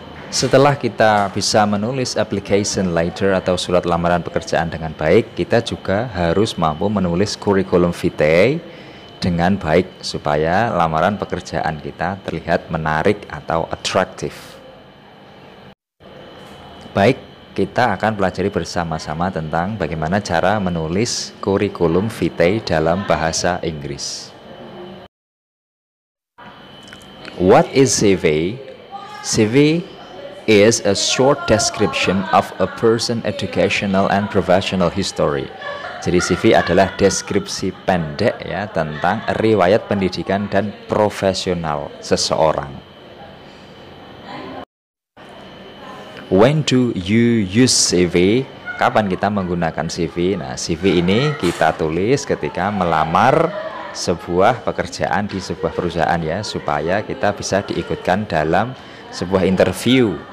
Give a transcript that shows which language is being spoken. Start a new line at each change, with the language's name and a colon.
Indonesian: Setelah kita bisa menulis application letter atau surat lamaran pekerjaan dengan baik, kita juga harus mampu menulis kurikulum vitae dengan baik supaya lamaran pekerjaan kita terlihat menarik atau atraktif. Baik, kita akan pelajari bersama-sama tentang bagaimana cara menulis kurikulum vitae dalam bahasa Inggris.
English: What is CV? CV is a short description of a person's educational and professional history.
Indonesian: Jadi CV adalah deskripsi pendek ya tentang riwayat pendidikan dan profesional seseorang.
English: When do you use CV?
Indonesian: Kapan kita menggunakan CV? Nah, CV ini kita tulis ketika melamar sebuah pekerjaan di sebuah perusahaan ya, supaya kita bisa diikutkan dalam sebuah interview.